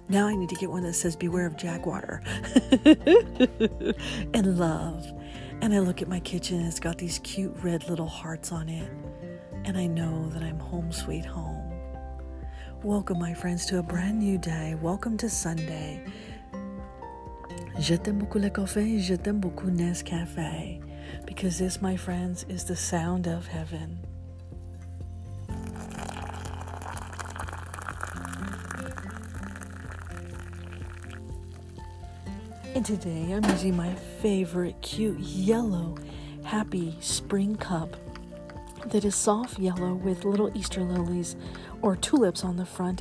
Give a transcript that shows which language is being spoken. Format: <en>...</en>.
<en>Now I need to get one that says, beware of jaguar. And love. And I look at my kitchen and it's got these cute red little hearts on it. And I know that I'm home sweet home. Welcome, my friends, to a brand new day. Welcome to Sunday.</en> <fr>Je t'aime beaucoup le café, je t'aime beaucoup Nescafé.</fr> <en>Because this, my friends, is the sound of heaven. And today I'm using my favorite cute yellow happy spring cup that is soft yellow with little Easter lilies or tulips on the front.</en>